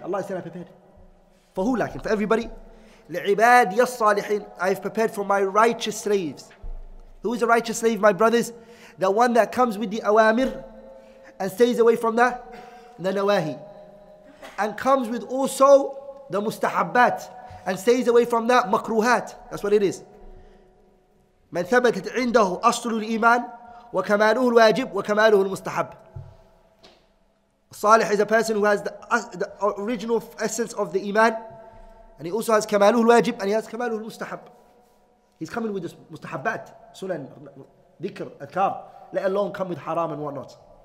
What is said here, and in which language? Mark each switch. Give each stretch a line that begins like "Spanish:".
English: Allah said, "I prepared for who? Like, for everybody."
Arabic: لعباد يصالحين,
English: I've prepared for my righteous slaves. Who is a righteous slave, my brothers? The one that comes with the awamir and stays away from the nawahi, and comes with also the mustahabbat and stays away from the makruhat. That's what it is.
Arabic: من ثبتت عنده أصل الإيمان وكماله الواجب وكماله المستحب.
English: Salih is a person who has the original essence of the iman, and he also has kamaluhu al-wajib and he has kamaluhu al-mustahab. He's coming with the mustahabbat, sunan, dhikr, adhkar, let alone come with haram and whatnot.